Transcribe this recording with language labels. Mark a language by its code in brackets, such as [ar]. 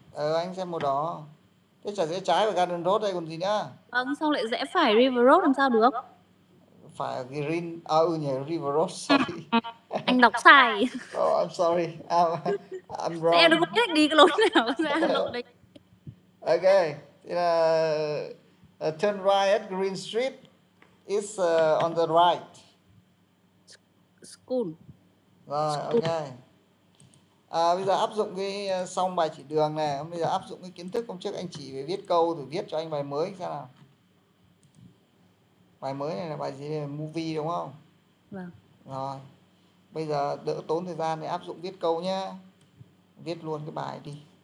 [vi] Anh xe màu đỏ. Thế chả rẽ trái và gần rốt đây còn gì nữa? Vâng, xong lại rẽ phải River Road làm sao được? Phải Green, nhỉ, River Road, sorry. Anh đọc sai. [en] Oh, I'm sorry, I'm wrong. [vi] Thế em đừng có biết đi cái lối nào ra Hà Nội đây. [en] Ok, [vi] thì là [en] turn right at Green Street, it's on the right. School. [vi] Rồi, ok. Bây giờ áp dụng cái xong bài chỉ đường này, bây giờ áp dụng cái kiến thức hôm trước anh chỉ về viết câu rồi viết cho anh bài mới xem nào. Bài mới này là bài gì? Movie đúng không? Vâng. Rồi. Bây giờ đỡ tốn thời gian để áp dụng viết câu nhá. Viết luôn cái bài đi.